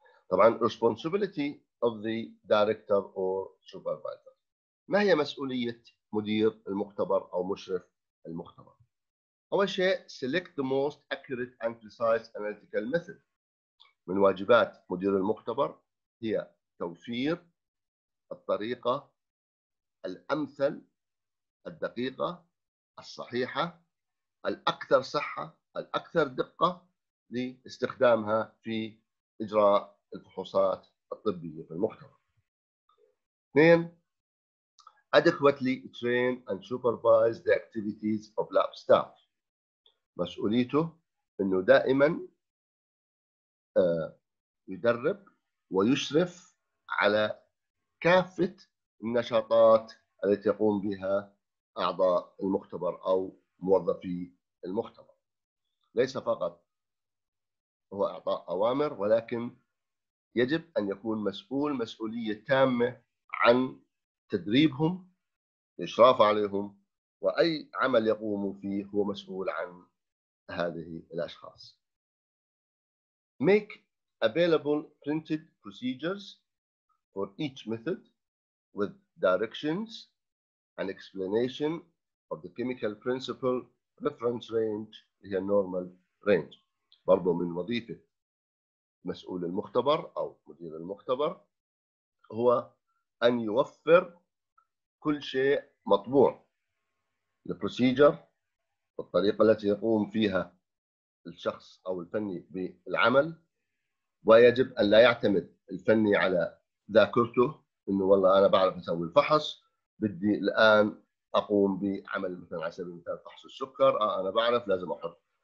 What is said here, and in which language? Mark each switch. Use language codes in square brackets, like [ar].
[ar] طبعاً [en] responsibility of the director or supervisor. [ar] ما هي مسؤولية مدير المختبر أو مشرف المختبر؟ أول شيء [en] select the most accurate and precise analytical method. [ar] من واجبات مدير المختبر هي توفير الطريقة الأمثل، الدقيقة، الصحيحة، الأكثر صحة، الأكثر دقة لاستخدامها في إجراء الفحوصات الطبية في المختبر. اثنين [en] adequately train and supervise the activities of lab staff. [ar] مسؤوليته انه دائما يدرب ويشرف على كافة النشاطات التي يقوم بها اعضاء المختبر او موظفي المختبر، ليس فقط هو اعطاء اوامر ولكن يجب ان يكون مسؤولية تامة عن تدريبهم، إشراف عليهم، وأي عمل يقوموا فيه هو مسؤول عن هذه الأشخاص. [en] Make available printed procedures for each method with directions and explanation of the chemical principle reference range [ar] هي [en] normal range. [ar] برضو من وظيفة مسؤول المختبر أو مدير المختبر هو أن يوفر كل شيء مطبوع للبروسيجر، الطريقة التي يقوم فيها الشخص أو الفني بالعمل، ويجب أن لا يعتمد الفني على ذاكرته إنه والله أنا بعرف أسوي الفحص، بدي الآن أقوم بعمل مثلاً على سبيل المثال فحص السكر، أنا بعرف لازم أحط